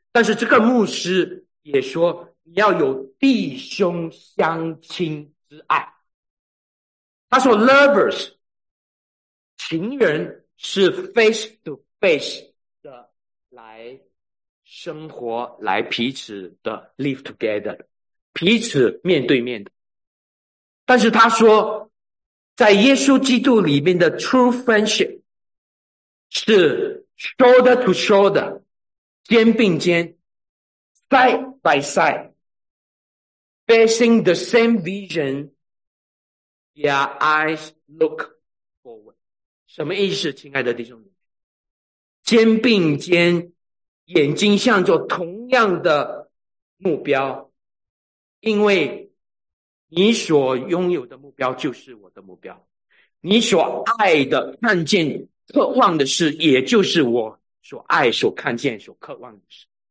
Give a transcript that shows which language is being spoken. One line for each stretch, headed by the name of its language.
Chinese: 但是这个牧师也说你要有弟兄相亲之爱，他说 lovers 情人是
English: face to face
Chinese: 的来生活，来彼此的
English: live together，
Chinese: 彼此面对面的。但是他说在耶稣基督里面的
English: true friendship 是 shoulder to shoulder，
Chinese: 肩并肩，
English: side by side，Facing the same vision, their eyes look forward.
Chinese: 什么意思，亲爱的弟兄们？肩并肩，眼睛向着同样的目标，因为你所拥有的目标就是我的目标，你所爱的、看见、渴望的事，也就是我所爱、所看见、所渴望的事。